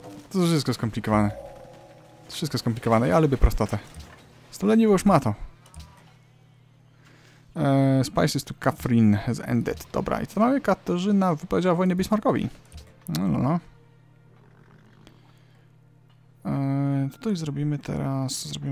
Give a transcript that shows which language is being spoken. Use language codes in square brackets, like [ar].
[pl] To jest wszystko skomplikowane. Ja lubię prostotę. Stuleniwo już ma to. [en] Spices to Kafrin has ended. [pl] Dobra, i co mamy? Katarzyna wypowiedziała wojnę Bismarckowi. No. Tutaj zrobimy teraz...